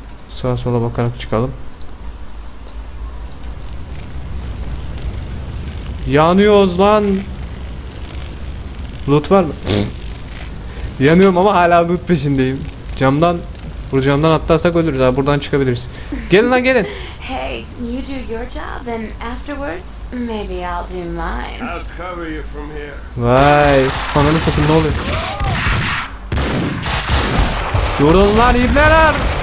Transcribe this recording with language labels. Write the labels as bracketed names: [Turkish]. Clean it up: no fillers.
[Turkish] Sağa sola bakarak çıkalım. Yanıyoruz lan. Loot var mı? Yanıyorum ama hala loot peşindeyim. Camdan, bu camdan atlarsak ölürüz. Daha buradan çıkabiliriz. Gelin lan gelin. [English] Hey, you do your job and afterwards maybe I'll do mine. I'll cover you from here. [Turkish] Vay, ananı satayım ne oluyor? Durun lan ibneler.